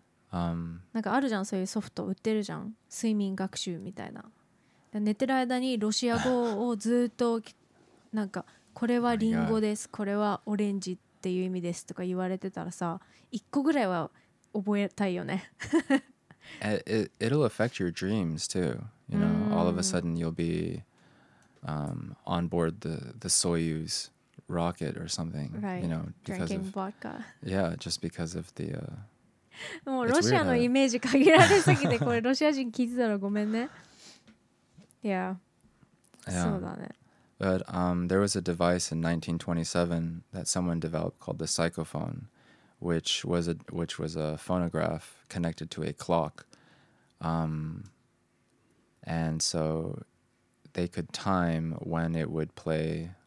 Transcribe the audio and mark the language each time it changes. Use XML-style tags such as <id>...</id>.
<ja>なんかあるじゃん、そういうソフト売ってるじゃん、睡眠学習みたいな。寝てる間にロシア語をずっとなんかこれはリンゴです、oh、これはオレンジっていう意味ですとか言われてたらさ、一個ぐらいは覚えたいよね。</ja> <en>It'll affect your dreams too. You know,、mm. all of a sudden you'll be、on board the Soyuz. Rocket or something, right, you know, because drinking of, vodka. Yeah, just because of the.</en> <ja>もうロシアのイメージ限られすぎてこれロシア人聞いてたらごめんね。</ja> <en>Yeah. Yeah.</en> <ja>そうだね。</ja> <en>But there was a device in 1927 that someone developed called the psychophone, which was a phonograph connected to a clock. And so they could time when it would play.</en>